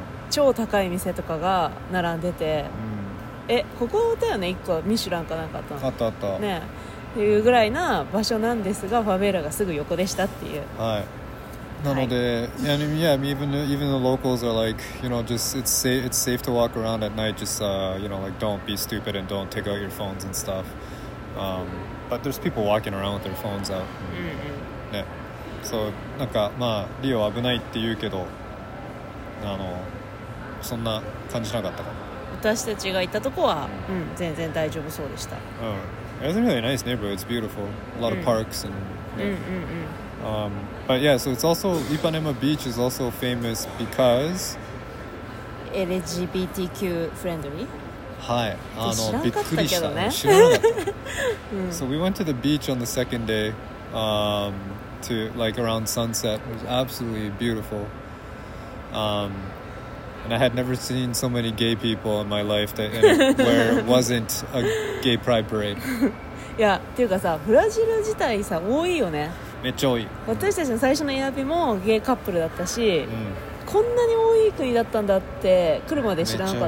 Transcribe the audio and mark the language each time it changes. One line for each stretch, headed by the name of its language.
Japanese: 超高い店とかが並んでて、ここだよね、一個ミシュランかなんかあったの、あったあったね、っていうぐらいな場所なんですが、ファベーラがすぐ横でしたっていう、はい、なので、はい、
English: yeah, even the locals are like, you know, just it's safe to walk around at night, just, you know, like, don't be stupid and don't take out your phones and stuff. But there's people walking around with their phones out.
Japanese: ね。そう、なんか、まあ、リオ危ないって言うけど、あの、そんな感じなかったかな。私たちが行ったとこは、全然大丈夫そうでした。
English: It's a really nice neighborhood. It's beautiful. A lot of parks and... But yeah, so it's also Ipanema Beach is also famous because LGBTQ friendly.
Japanese: はい、あの、びっくりした。知らなかった。
English: So we went to the beach on the second day, to like around sunset. It was absolutely beautiful. And I had never seen so many gay people in my life that where it wasn't a gay pride parade.
Japanese: いや、ていうかさ、ブラジル自体さ、多いよね。めっちゃ多い。私たちの最初のエアビもゲイカップルだったし、うん、こんなに多い国だったんだって来るまで知らなかった。